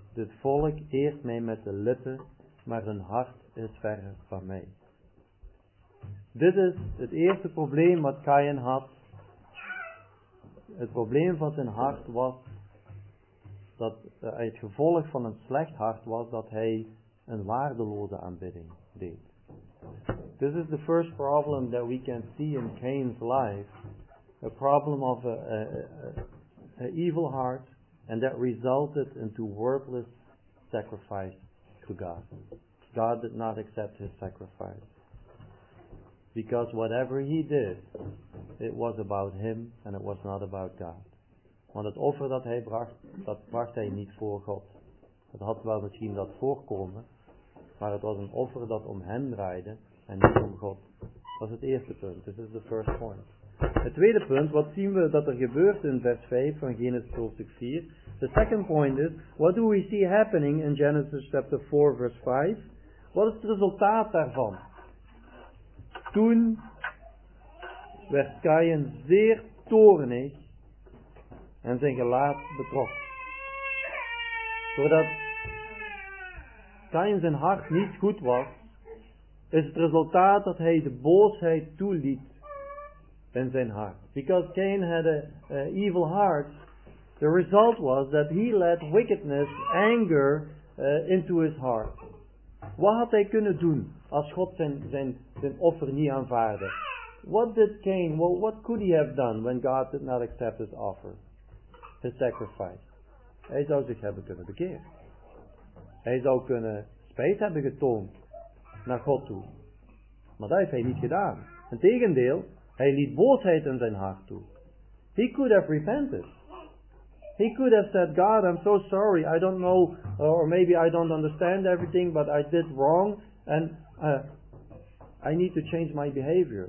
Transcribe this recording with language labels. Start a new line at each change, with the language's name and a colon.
Dutch: Dit volk eert mij met de lippen, maar hun hart is verre van mij. Dit is het eerste probleem wat Cain had. Het probleem van zijn hart was dat het gevolg van een slecht hart was dat hij een waardeloze aanbidding deed.
English: This is the first problem that we can see in Cain's life, a problem of an evil heart, and that resulted into worthless sacrifice to God. God did not accept his sacrifice, because whatever he did, it was about him and it was not about God.
Dutch: Want het offer dat hij bracht, dat bracht hij niet voor God. Het had wel misschien dat voorkomen, maar het was een offer dat om hem draaide en niet om God. Dat is het eerste punt.
English: This is the first point.
Dutch: Het tweede punt, wat zien we dat er gebeurt in vers 5 van Genesis hoofdstuk 4?
English: The second point is, what do we see happening in Genesis chapter 4 verse 5?
Dutch: Wat is het resultaat daarvan? Toen werd Cain zeer toornig. En zijn gelaat betrok. Doordat Cain zijn hart niet goed was, is het resultaat dat hij de boosheid toeliet in zijn hart.
English: Because Cain had an evil heart, the result was that he let wickedness, anger, into his heart.
Dutch: Wat had hij kunnen doen als God zijn offer niet aanvaardde?
English: What did Cain, well, what could he have done when God did not accept his offer? His sacrifice.
Dutch: Hij zou zich hebben kunnen bekeren. Hij zou kunnen spijt hebben getoond naar God toe. Maar dat heeft hij niet gedaan. Integendeel, hij liet boosheid in zijn hart toe.
English: He could have repented. He could have said, God, I'm so sorry. I don't know, or maybe I don't understand everything, but I did wrong, and I need to change my behavior.